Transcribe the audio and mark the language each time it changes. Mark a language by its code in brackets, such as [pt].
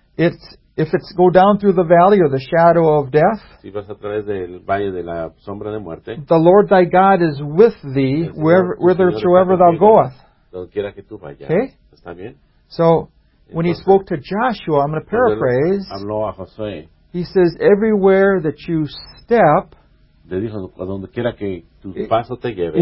[en] It's if it's go down through the valley or the shadow of death. [es] Si vas a través del valle de la sombra de muerte. [en] The Lord thy God is with thee whithersoever thou goest. [es] Donde quiera que tú vayas. [en] Okay? [es] Está bien. [en] So, when he spoke to Joshua, I'm going to paraphrase. [es] Habló a Josué. [en] He says, everywhere that you step [es] le dijo, a donde quiera que tu paso te lleve,